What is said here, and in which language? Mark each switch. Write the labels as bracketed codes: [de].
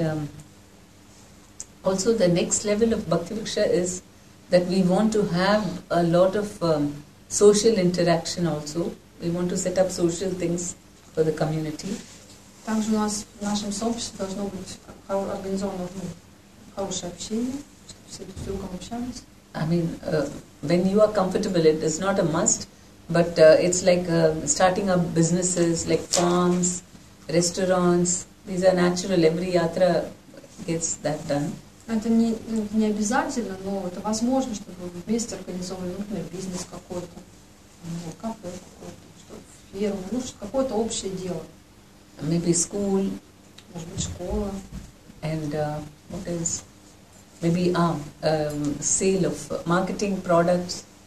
[en] And also the next level of Bhakti Viksha is that we want to have a lot of social interaction also. We want to set up social things for the community. [ru] Также у нас в нашем сообществе должно быть организовано хорошее общение, чтобы все друг с другом общались. [en] I mean, when you are comfortable, it is not a must. But it's like starting up businesses like farms, restaurants. These are natural. Every yatra gets that done. [ru] Это не обязательно, но это возможно, чтобы вы вместе организовали, например, бизнес какой-то, кафе какой-то, что фирму, ну что какое-то общее дело. [en] Maybe school. [ru] Может быть школа. [en] And what else? Maybe sale of marketing products.